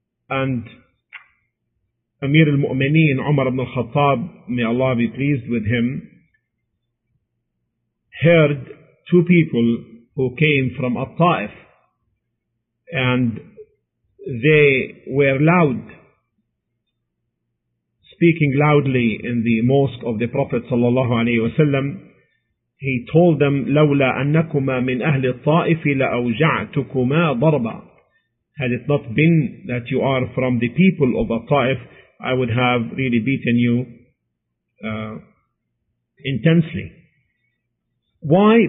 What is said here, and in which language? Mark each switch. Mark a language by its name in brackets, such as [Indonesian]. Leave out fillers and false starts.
[English] And Amir al-Mu'mineen Umar ibn al-Khattab, may Allah be pleased with him, heard two people who came from At-Ta'if, and they were loud, speaking loudly in the mosque of the Prophet sallallahu alayhi wa sallam. [Arabic] He told them, لولا أنكما من أهل الطائف لأوجعتكما ضربا. [English] Had it not been that you are from the people of At-Ta'if, I would have really beaten you intensely. Why?